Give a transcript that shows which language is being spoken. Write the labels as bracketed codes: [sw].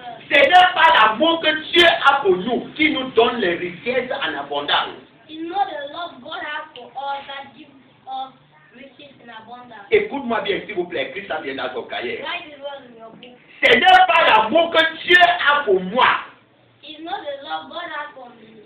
[fr] Ce n'est pas l'amour que Dieu a pour nous qui nous donne les richesses en abondance. [en] It's not the love God has for us that gives us riches in abundance. [fr] Écoute-moi bien, s'il vous plaît, Christ vient dans ton cahier. Ce n'est pas l'amour que Dieu a pour moi. [en] It's not the love God has for me.